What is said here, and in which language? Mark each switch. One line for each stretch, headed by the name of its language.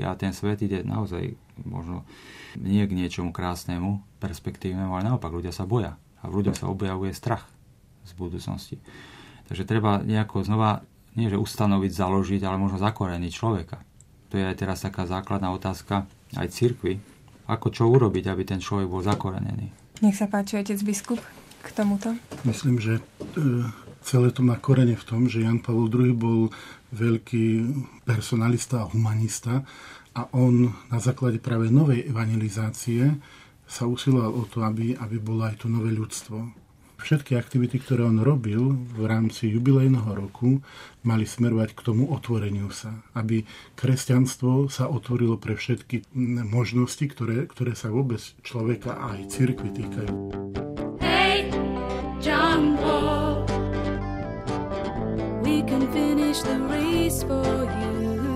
Slovak: A ten svet ide naozaj možno nie k niečomu krásnemu, perspektívnemu, ale naopak ľudia sa boja. A v ľuďoch sa objavuje strach z budúcnosti. Takže treba nejako znova nie že ustanoviť, založiť, ale možno zakoreniť človeka. To je aj teraz taká základná otázka aj cirkvi. Ako čo urobiť, aby ten človek bol zakorenený? Nech sa páči, otec biskup, k tomuto. Myslím, že celé to má korene v tom, že Jan Pavol II. Bol veľký personalista a humanista a on na základe práve novej evangelizácie sa usiloval o to, aby bolo aj to nové ľudstvo. Všetky aktivity, ktoré on robil v rámci jubilejného roku, mali smerovať k tomu otvoreniu sa, aby kresťanstvo sa otvorilo pre všetky možnosti, ktoré sa vôbec človeka a aj cirkvi týkajú.
English: Hey, John Paul, we can finish the race for you.